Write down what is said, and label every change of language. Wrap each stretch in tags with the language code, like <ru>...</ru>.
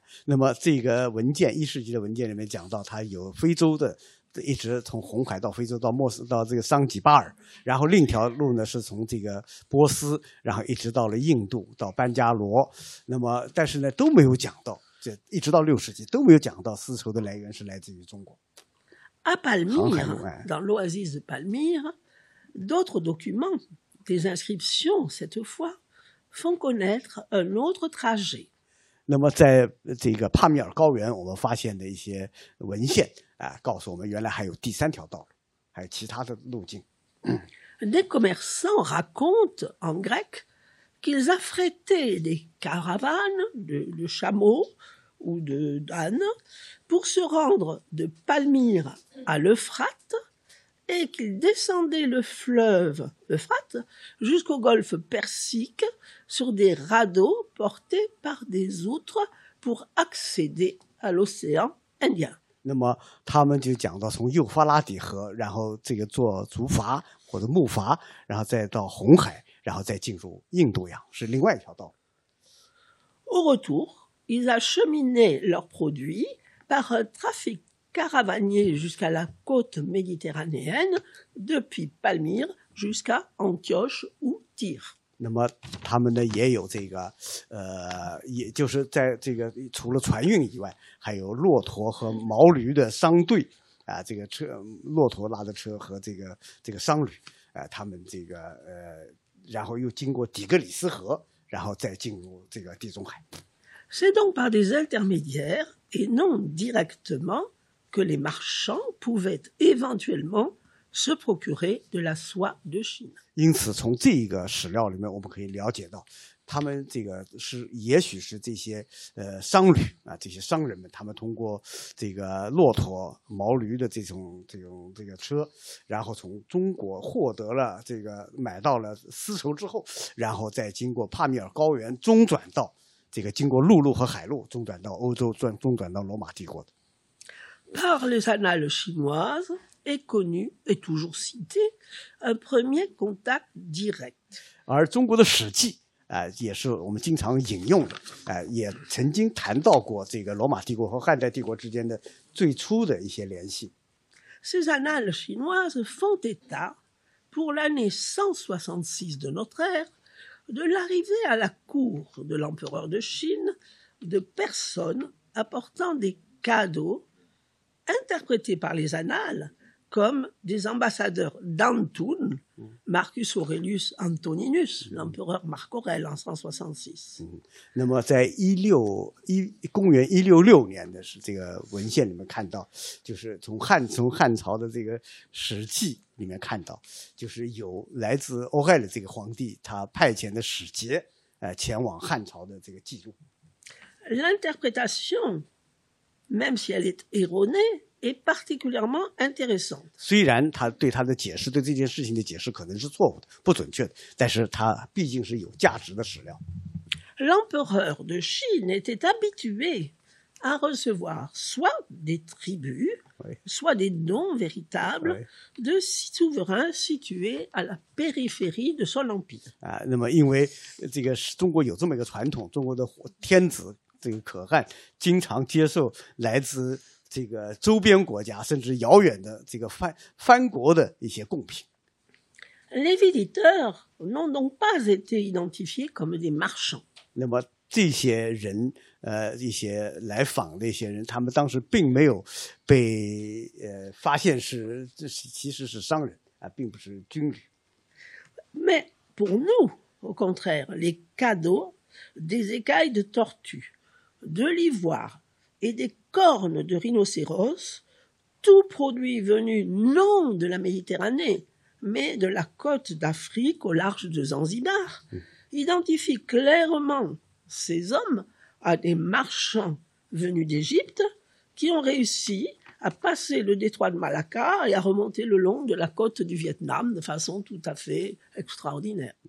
<zh>那么这个文件，一世纪的文件里面讲到，它有非洲的，一直从红海到非洲到莫斯到这个桑吉巴尔，然后另一条路呢是从这个波斯，然后一直到了印度到班加罗。那么但是呢都没有讲到。这一直到六世纪都没有讲到丝绸的来源是来自于中国。</zh> <fr>À Palmyre, dans l'oasis de Palmyre, d'autres documents, des inscriptions cette fois, font connaître un autre trajet.</fr> <zh>那么在这个帕米尔高原，我们发现的一些文献啊，告诉我们原来还有第三条道路，还有其他的路径。</zh> <fr>Des commerçants racontent en grec. Qu'ils affrétaient des caravanes de chameaux ou d'ânes pour se rendre de Palmyre à l'Euphrate et qu'ils descendaient le fleuve Euphrate jusqu'au golfe Persique sur des radeaux portés par des outres pour accéder à l'océan Indien.</fr> <zh>那么他们就讲到从幼发拉底河，然后这个做竹筏或者木筏，然后再到红海。然后再进入印度洋是另外一条道。</zh> <fr>Au retour, ils acheminaient leurs produits par un trafic caravanier jusqu'à la côte méditerranéenne depuis Palmyre jusqu'à Antioche ou Tyr.</fr> <zh>那么他们呢也有这个也就是在这个除了船运以外，还有骆驼和毛驴的商队啊，这个车骆驼拉的车和这个商旅他们这个然后又经过底格里斯河，然后再进入这个地中海。</zh> <fr>C'est donc par des intermédiaires et non directement que les marchands pouvaient éventuellement se procurer de la soie de Chine.</fr> <zh>因此，从这个史料里面，我们可以了解到，他们这个是也许是这些商旅啊，这些商人们，他们通过这个骆驼、毛驴的这种车，然后从中国获得了这个买到了丝绸之后，然后再经过帕米尔高原中转到。这个经过陆路和海路中转到欧洲，中转到罗马帝国的。</zh> <fr>Par les annales chinoises est connu et toujours cité un premier contact direct.</fr> <zh>而中国的史记也是我们经常引用的也曾经谈到过这个罗马帝国和汉代帝国之间的最初的一些联系。</zh> <fr>Ces annales chinoises font état pour l'année 166 de notre ère. De l'arrivée à la cour de l'empereur de Chine de personnes apportant des cadeaux interprétés par les annales comme des ambassadeurs d'Antoun, Marcus Aurelius Antoninus, l'empereur Marc Aurel en 166.</fr> <zh>那么在公元166年的这个文献里面看到，就是从汉朝的这个史记里面看到，就是有来自欧亥的这个皇帝他派遣的使节前往汉朝的这个记录。</zh> <fr>L'interprétation, même si elle est erronée,est particulièrement intéressant.</fr> <zh>虽然他对他的解释，对这件事情的解释可能是错误的，不准确的，但是他毕竟是有价值的史料。</zh> <fr>L'empereur de Chine était habitué à recevoir soit des tributs, soit des noms véritables de souverains situés à la périphérie de son empire.</fr> <zh>那么因为这个中国有这么一个传统，中国的天子这个可汗经常接受来自这个周边国家甚至遥远的这个藩国的一些贡品。</zh> <fr>Les visiteurs n'ont donc pas été identifiés comme des marchands.</fr> <zh>那么这些人一些来访的一些人，他们当时并没有被发现是这是其实是商人并不是军旅。</zh> <fr>Mais pour nous, au contraire, les cadeaux des écailles de tortue, de l'ivoire et des cornes de rhinocéros, tout produit venu non de la Méditerranée, mais de la côte d'Afrique au large de Zanzibar, identifie clairement ces hommes à des marchands venus d'Égypte qui ont réussi à passer le détroit de Malacca et à remonter le long de la côte du Vietnam de façon tout à fait extraordinaire.</fr>